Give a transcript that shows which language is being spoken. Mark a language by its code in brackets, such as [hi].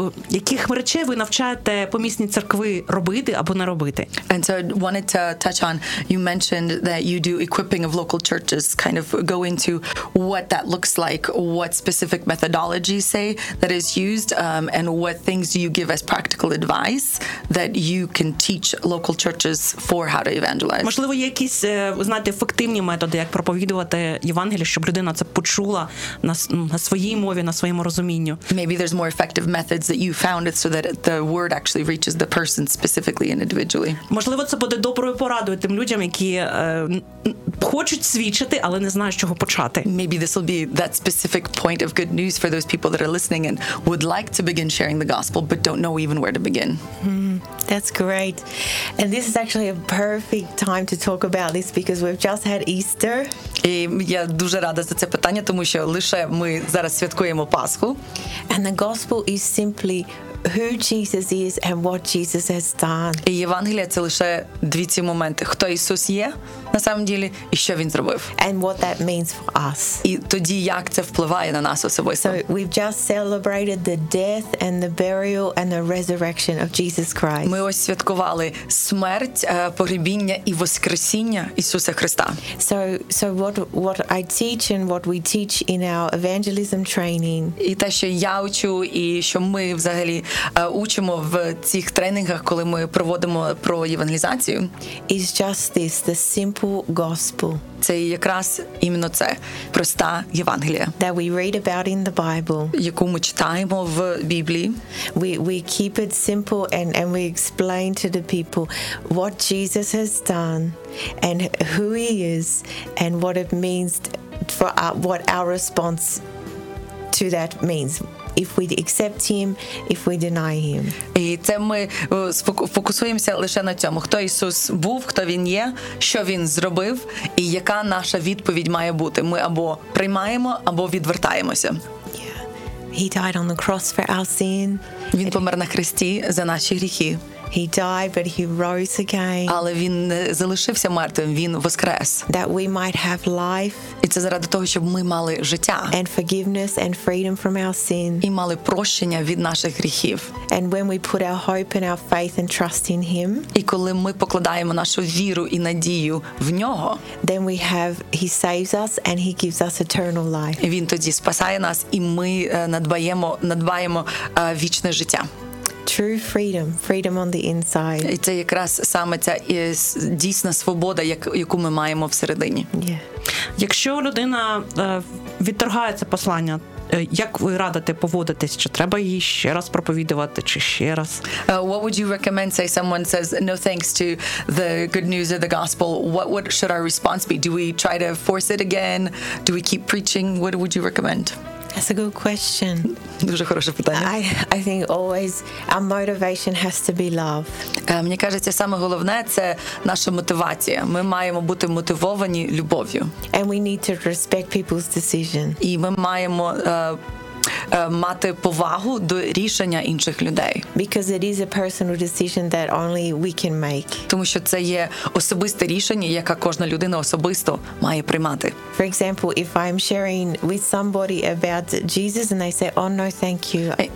[uk] Яких речей ви навчаєте помісні церкви робити або не робити? [en] And so I wanted to touch on, you mentioned that you do equipping of local churches, kind of go into what that looks like, what specific methodology, say, that is used, and what things do you give as practical advice that you can teach local churches for how to evangelize. [uk] Можливо, є якісь, знаєте, ефективні методи, як проповідувати Євангеліє, щоб людина це почула на своїй мові, на своєму розумінню. [en] Maybe there's more effective methods that you found it so that the word actually reaches the person specifically and individually. [uk] Можливо, це буде доброю порадою тим людям, які хочуть свідчити, але не знають, з чого почати. [en] Maybe this will be that specific point of good news for those people that are listening and would like to begin sharing the gospel but don't know even where to begin. That's great. And this is actually a perfect time to talk about this because we've just had Easter. [uk] І я дуже рада за це питання, тому що лише ми зараз святкуємо Пасху. [en] And the gospel is simply who Jesus is and what Jesus has done. [uk] І Євангеліє це лише дві ці моменти: хто Ісус є на самом ділі і що він зробив. [en] And what that means for us. [uk] І тоді як це впливає на нас особисто. [en] So we've just celebrated the death and the burial and the resurrection of Jesus Christ. [uk] Ми ось святкували смерть, погребіння і воскресіння Ісуса Христа. [en] So what I teach and what we teach in our evangelism training. [uk] І те, що я учу і що ми взагалі учимо в цих тренінгах, коли ми проводимо про евангелізацію. [en] Is just this, the simple gospel. [uk] Це якраз іменно це, проста Євангелія. [en] That we read about in the Bible. [uk] Яку ми читаємо в Біблії. [en] We keep it simple and we explain to the people what Jesus has done and who he is and what it means for what our response to that means. If we accept him, if we deny him. [uk] І це ми фокусуємося лише на цьому. Хто Ісус був, хто він є, що він зробив, і яка наша відповідь має бути. Ми або приймаємо, або відвертаємося. [en] He died on the cross for our sin. [uk] Він помер на хресті за наші гріхи. [en] He died, but he rose again. [uk] Але він не залишився мертвим, він воскрес. [en] That we might have life. [uk] І це заради того, щоб ми мали життя. [en] And forgiveness and freedom from our sin. [uk] І мали прощення від наших гріхів. [en] And when we put our hope and our faith and trust in him. [uk] І коли ми покладаємо нашу віру і надію в нього. [en] Then we have he saves us and he gives us eternal life. [uk] І він тоді спасає нас, і ми надбаємо вічне життя. [en] True freedom, freedom on the inside. [uk] І це якраз саме ця дійсна свобода, яку ми маємо всередині. [en] Yeah. [uk] Якщо людина відторгає це послання, як ви радите поводитись? Чи треба її ще раз проповідувати, чи ще раз? [en] What would you recommend, say someone says no thanks to the good news of the gospel? What should our response be? Do we try to force it again? Do we keep preaching? What would you recommend? That's a good question. [uk] Дуже хороше питання. [en] I think always our motivation has to be love. [uk] Мені кажеться, саме головне це наша мотивація. Ми маємо бути мотивовані любов'ю. [en] And we need to respect people's decision. [uk] І ми маємо мати повагу до рішення інших людей. [en] Because it is a personal decision that only we can make. [uk] Тому що це є особисте рішення, яке кожна людина особисто має приймати. [en] For example, if I'm sharing with somebody about Jesus and they say, "Oh no, thank you."